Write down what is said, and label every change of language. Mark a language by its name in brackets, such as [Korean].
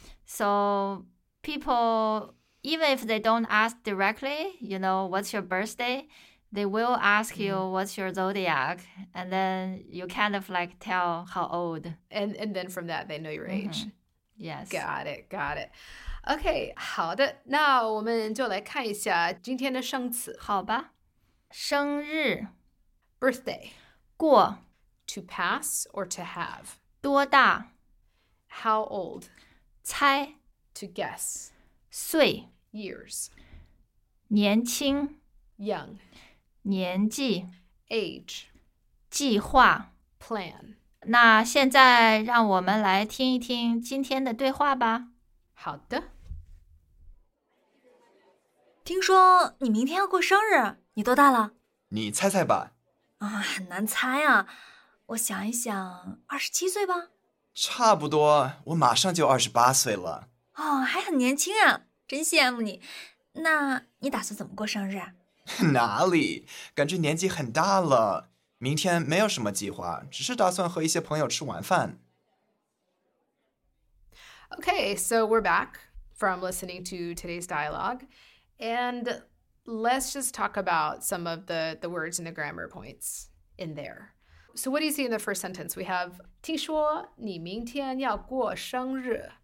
[English] So people, even if they don't ask directly, you know, what's your birthday, they will ask you, what's your zodiac? And then you kind of like tell how old. And then from that, they know your age. Yes. Got it. Okay, [Chinese] 好的。那我们就来看一下今天的生词。好吧。生日。 [English] Birthday. [Chinese] 过 [English] To pass or to have. [Chinese] 多大 [English] How old. [Chinese] 猜 [English] To guess. [Chinese] 岁 [English] Years. [Chinese] 年轻 [English] Young. [Chinese] 年纪 [English] Age. [Chinese] 计划 [English] Plan. [Chinese] 那现在让我们来听一听今天的对话吧。好的。听说你明天要过生日，你多大了？你猜猜吧。啊，很难猜啊！我想一想，27岁吧，差不多。我马上就28岁了。哦，还很年轻啊，真羡慕你。那你打算怎么过生日啊？哪里，感觉年纪很大了。明天没有什么计划，只是打算和一些朋友吃晚饭。 [English] Okay, so we're back from listening to today's dialogue, and. Let's just talk about some of the words and the grammar points in there. So what do you see in the first sentence? We have, [Chinese] 听说你明天要过生日。